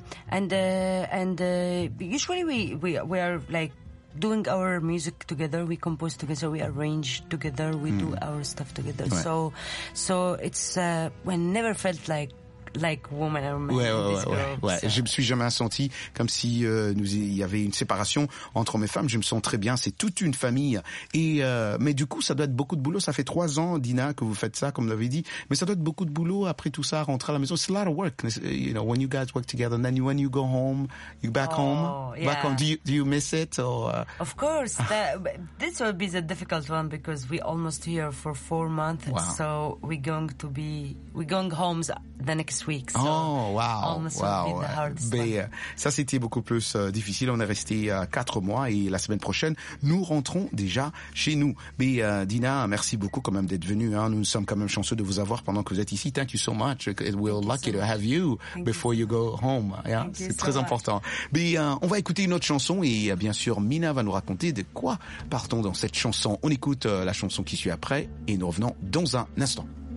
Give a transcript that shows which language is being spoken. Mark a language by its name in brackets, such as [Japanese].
[English] And usually we are like doing our music together, we compose together, we arrange together, we do our stuff together. Right. So it's, we never felt like like woman or man. [French] Ouais. Je me suis jamais senti comme si nous y avait une séparation entre mes femmes. Je me sens très bien. C'est toute une famille. Et mais du coup, ça doit être beaucoup de boulot. Ça fait 3 ans, Dina, que vous faites ça, comme vous l'avez dit. Mais ça doit être beaucoup de boulot après tout ça, rentrer à la maison. [English] It's a lot of work. You know, when you guys work together, and then when you go home, you back home. Yeah. Back home. Do you miss it or? Of course. This will be the difficult one because we almost here for 4 months. Wow. So we're going homes the next week. So [French] ça c'était beaucoup plus difficile. On est resté 4 mois et la semaine prochaine nous rentrons déjà chez nous. Mais Dina, merci beaucoup quand même d'être venue. Hein. Nous sommes quand même chanceux de vous avoir pendant que vous êtes ici. [English] Thank you so much. We're lucky to have you before you go home. [French] Yeah, c'est très important. Mais on va écouter une autre chanson et bien sûr Mina va nous raconter de quoi partons dans cette chanson. On écoute la chanson qui suit après et nous revenons dans un instant.